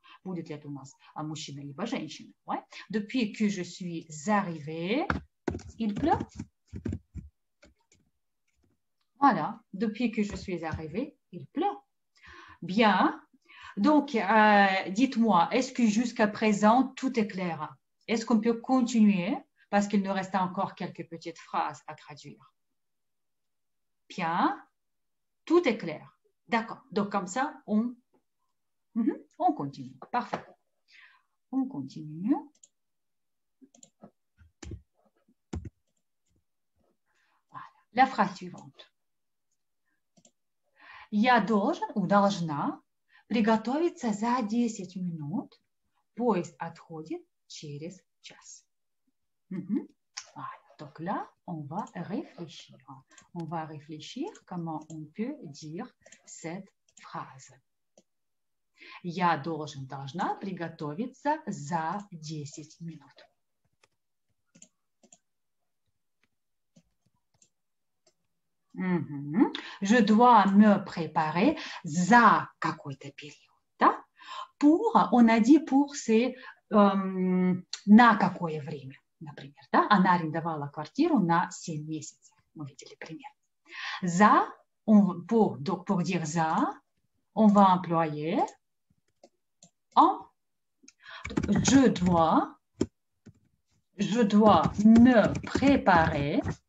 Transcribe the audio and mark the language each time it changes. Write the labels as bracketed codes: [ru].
[ru] Будет ли это у нас мужчина либо женщина? [fr] Ouais. Depuis que je suis arrivée, il pleut. Voilà. Depuis que je suis arrivée, il pleut. Bien. Donc, dites-moi, est-ce que jusqu'à présent, tout est clair? Est-ce qu'on peut continuer? Parce qu'il nous reste encore quelques petites phrases à traduire. Bien. Tout est clair. D'accord. Donc, comme ça, on continue. Parfait. On continue. Voilà. La phrase suivante. [ru] Я должен ou должна приготовиться за 10 минут. Поезд отходит через час. [fr] Voilà. Donc là, on va réfléchir. On va réfléchir comment on peut dire cette phrase. [ru] Я должен, должна приготовиться за 10 минут. [fr] Je dois me préparer [ru] за какой-то период. Да? [fr] Pour, on a dit pour, c'est [ru] на какое время, например. Да? Она арендовала квартиру на 7 месяцев. Мы видели пример. [fr] За, pour dire за, on va employer en. Je dois me préparer.